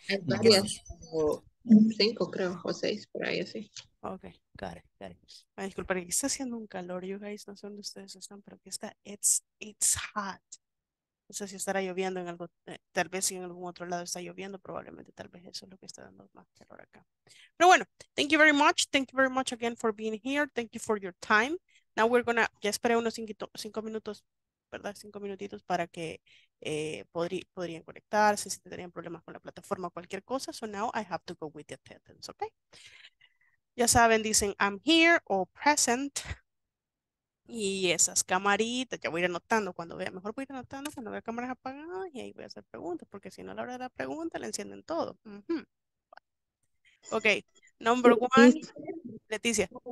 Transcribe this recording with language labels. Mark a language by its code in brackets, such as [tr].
[es] Hay varias, cinco creo, o seis, por ahí así. [en] Ok, got it. [es] Ay, disculpa, aquí está haciendo un calor, [en] you guys, [es] no sé dónde ustedes están, pero aquí está, [en] it's hot. [es] No sé si estará lloviendo en algo, tal vez si en algún otro lado está lloviendo, probablemente tal vez eso es lo que está dando más calor acá. Pero bueno, [en] thank you very much again for being here, thank you for your time. Now we're gonna, [es] ya esperé unos cinco minutos, ¿verdad? Cinco minutitos para que podrían conectarse, si tendrían problemas con la plataforma o cualquier cosa. [en] So now I have to go with the attendance, okay? [es] Ya saben, dicen [en] I'm here [es] o present. Y esas camaritas, ya voy a ir anotando cuando vea, mejor voy a ir anotando cuando vea cámaras apagadas y ahí voy a hacer preguntas, porque si no a la hora de la pregunta le encienden todo. Uh-huh. [en] Okay, number one, Leticia.